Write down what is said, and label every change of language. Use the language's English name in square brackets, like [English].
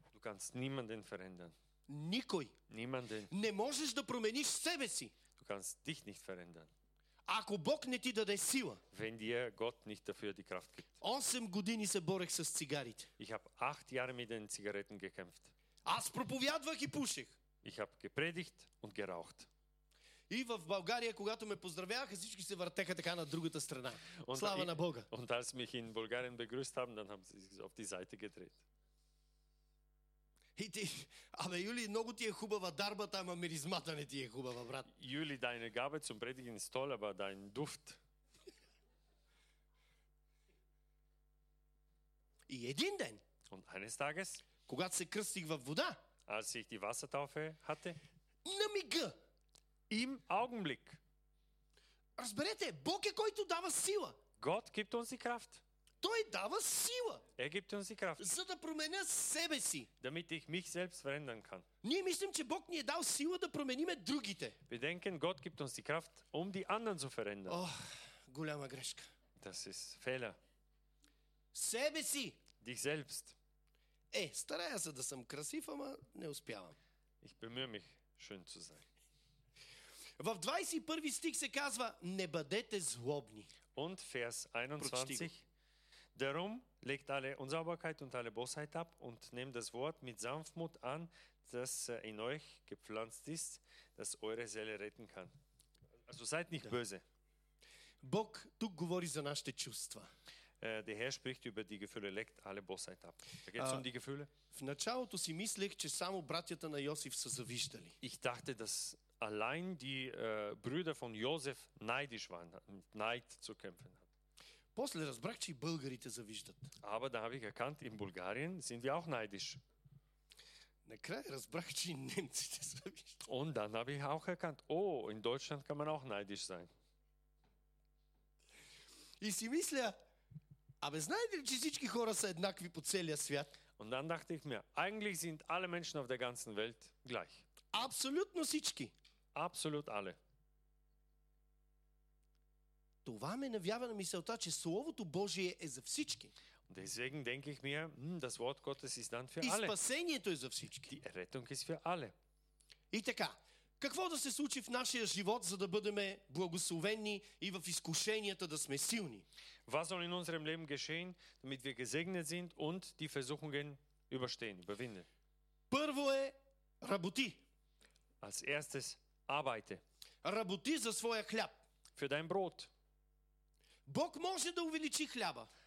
[German] Du kannst niemanden verändern. [Bulgarian] Никой. [German] Niemanden. [Bulgarian] Не можеш да промениш себе си. [German] Du kannst dich nicht verändern. [Bulgarian] Ако Бог не ти даде сила. [German] Wenn dir Gott nicht dafür die Kraft gibt. [Bulgarian] 8 години се борех с цигарите. [German] Ich habe 8 Jahre mit den Zigaretten gekämpft. [Bulgarian] Аз проповядвах и пуших. [German] Ich habe gepredigt und geraucht. [Bulgarian] И в България, когато ме поздравяваха, всички се въртеха така на другата страна. Слава на Бога. [German] Und als mich in Bulgarien begrüßt haben, dann haben sie sich auf die Seite gedreht. [Bulgarian] Абе, Юли, много ти е хубава дарбата, ама миризмата не ти е хубава, брат. [German] Юли, deine Gabe zum Predigen ist toll, aber dein Duft. [Bulgarian] И един ден. [German] Und eines Tages. [Bulgarian] Когато се кръстих във вода. [German] Als ich die Wassertaufe hatte. [Bulgarian] На мига. [German] Im Augenblick. [Bulgarian] Разберете, Бог е който дава сила. [German] Gott gibt uns die Kraft. [Bulgarian] Той дава сила. [German] Er gibt uns die Kraft. [Bulgarian] За да променя себе си. [German] Damit ich mich selbst verändern kann. [Bulgarian] Ние мислим, че Бог ни е дал сила да променим другите. [German] Wir denken, Gott gibt uns die Kraft, um die anderen zu verändern. [Bulgarian] Oh, голяма грешка. [German] Das ist Fehler. [Bulgarian] Себе си. [German] Dich selbst. [Bulgarian] Е, старая се да съм красив, ама не успявам. [German] Ich bemühe mich, schön zu sein. [Bulgarian] В 21 стих се казва, не бъдете злобни. [German] Und Vers 21. Darum legt alle Unsauberkeit und alle Bosheit ab und nehmt das Wort mit Sanftmut an, das in euch gepflanzt ist, das eure Seele retten kann. Also seid nicht böse. [Bulgarian] Бог тук говори за нашите чувства. [German] Der Herr spricht über die Gefühle, legt alle Bosheit ab. Da geht es um die Gefühle. [Bulgarian] В началото си мислех, че само братята на Йосиф са завиждали. [German] Ich dachte, dass allein die Brüder von Josef neidisch waren, mit Neid zu kämpfen hatten. [Bulgarian] После разбрах, че и българите завиждат. [German] Aber da habe ich erkannt, in Bulgarien sind wir auch neidisch. [Bulgarian] Накрая разбрах, че и немците завиждат. [German] Und dann habe ich auch erkannt, oh, in Deutschland kann man auch neidisch sein. [Bulgarian] И си мисля, абе знаете ли, че всички хора са еднакви по целия свят? [German] Und dann dachte ich mir, eigentlich sind alle Menschen auf der ganzen Welt gleich. [Bulgarian] Абсолютно всички. [German] Absolut alle. [Bulgarian] Това ме навява на мисълта, че Словото Божие е за всички. [German] Deswegen denke ich mir, das Wort Gottes ist dann für alle. [Bulgarian] И спасението е за всички. [German] Die Errettung ist für alle. [Bulgarian] И така, какво да се случи в нашия живот, за да бъдем благословени и в изкушенията да сме силни? [German] Was soll in unserem Leben geschehen, damit wir gesegnet sind und die Versuchungen überstehen, überwinden? [Bulgarian] Първо е, работи. [German] Als erstes, arbeite. [Bulgarian] Работи за своя хляб. [German] Für dein Brot. [Bulgarian] Бог може да увеличи хляба.